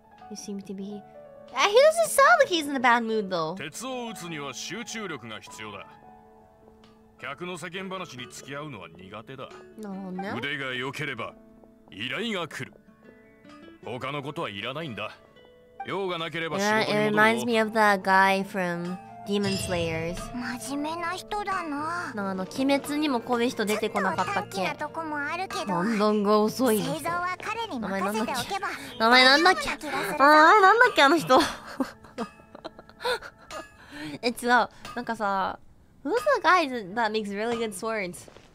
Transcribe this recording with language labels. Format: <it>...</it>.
<en>You seem to be... He doesn't sound like he's in a bad mood, though.</en> <ja>鉄を打つには集中力が必要だ。客の世間話に付き合うのは苦手だ。なるほどね。腕が良ければ、依頼が来る。他のことはいらないんだ。用がなければ仕事に戻ろう。</ja> <en>It reminds me of that guy from Demon Slayers.</en> <ja>真面目な人だな。なあの鬼滅にもこういう人出てこなかったっけ。ちょっと短気なとこもあるけど。判断が遅いの。星座は彼に任せておけば。名前なんだっけ。ああなんだっけあの人。違う。なんかさ、</ja> <en>Who's the guy that makes really good swords?</en>